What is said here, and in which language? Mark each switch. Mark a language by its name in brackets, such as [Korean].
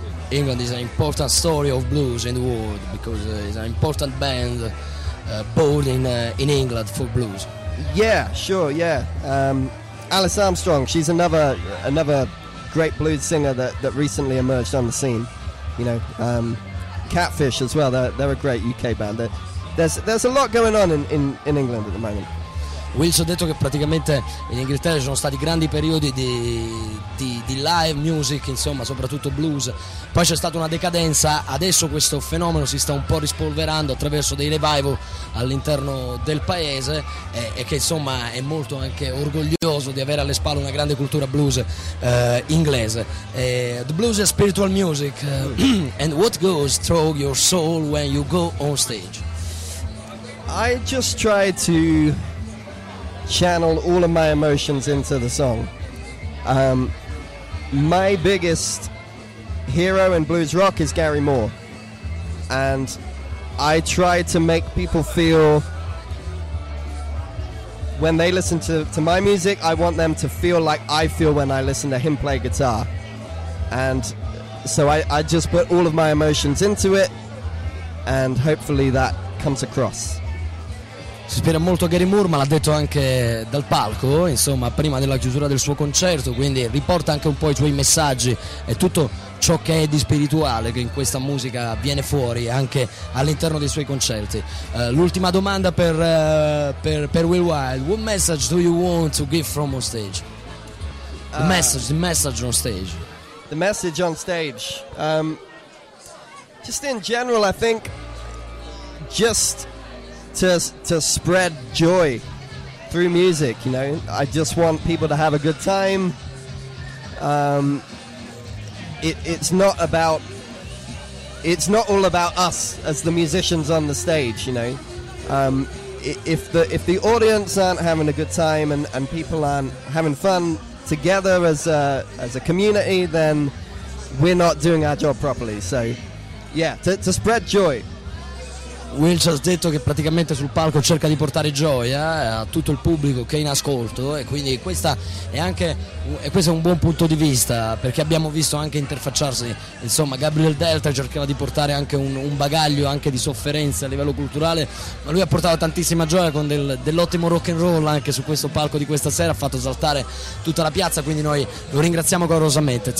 [English] England is an important story of blues in the world because it's an important band born in England for blues. Yeah, sure, yeah. Alice Armstrong, she's another great blues singer that recently emerged on the scene. You know, Catfish as well, they're a great UK band. There's a lot going on in England at the moment. [Italian] Wilson ha detto che praticamente in Inghilterra ci sono stati grandi periodi di live music, insomma, soprattutto blues. Poi c'è stata una decadenza, adesso questo fenomeno si sta un po' rispolverando attraverso dei revival all'interno del paese e che insomma è molto anche orgoglioso di avere alle spalle una grande cultura blues inglese. [English] The blues is spiritual music, and what goes through your soul when you go on stage? I just try to channel all of my emotions into the song. My biggest hero in blues rock is Gary Moore, and I try to make people feel, when they listen to my music, I want them to feel like I feel when I listen to him play guitar. And so I just put all of my emotions into it, and hopefully that comes across. [Italian] Si ispira molto a Gary Moore, ma l'ha detto anche dal palco, insomma, prima della chiusura del suo concerto, quindi riporta anche un po' i suoi messaggi e tutto ciò che è di spirituale che in questa musica viene fuori anche all'interno dei suoi concerti. L'ultima domanda per [English] Will Wilde: what message do you want to give from on stage? The message on stage. Just in general, I think, just to spread joy through music, you know. I just want people to have a good time. It's not all about us as the musicians on the stage, you know. If the audience aren't having a good time and people aren't having fun together as a community, then we're not doing our job properly. So yeah, to spread joy. [Italian] Will ci ha detto che praticamente sul palco cerca di portare gioia a tutto il pubblico che è in ascolto, e quindi questo è un buon punto di vista, perché abbiamo visto anche interfacciarsi, insomma, Gabriel Delta cercava di portare anche un bagaglio anche di sofferenze a livello culturale, ma lui ha portato tantissima gioia con dell'ottimo rock and roll anche su questo palco di questa sera, ha fatto saltare tutta la piazza, quindi noi lo ringraziamo calorosamente.